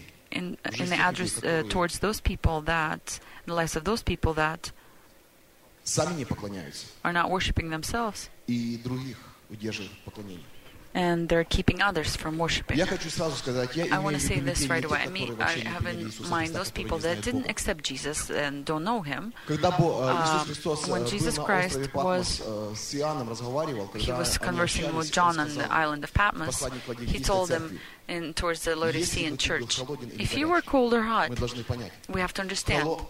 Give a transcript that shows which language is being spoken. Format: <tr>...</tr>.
<en>In the address towards those people that, in the lives of those people that</en> <ru>сами не поклоняются.</ru> <en>Are not worshiping themselves.</en> <ru>И других удерживают поклонение.</ru> <en>And they're keeping others from worshiping.</en> <ru>Я хочу сразу сказать,</ru> <en>I want to say this right away. I have in mind those people that didn't accept Jesus and don't know him. When Jesus Christ was conversing with John on the island of Patmos, he told them towards the Laodicean church, if you were cold or hot, we have to understand.</en>